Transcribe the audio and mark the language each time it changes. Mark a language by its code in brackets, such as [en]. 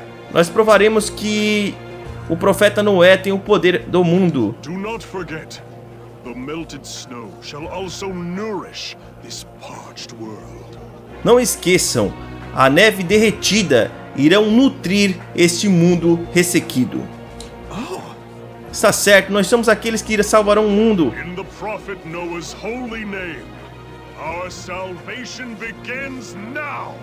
[pt] Nós provaremos que o profeta Noé tem o poder do mundo. [en] Do not forget, the melted snow shall also nourish this parched world. [pt] Não esqueçam, a neve derretida irão nutrir este mundo ressequido. Oh. Está certo, nós somos aqueles que irão salvar o mundo. [en] In the prophet Noah's holy name, Our salvation begins now.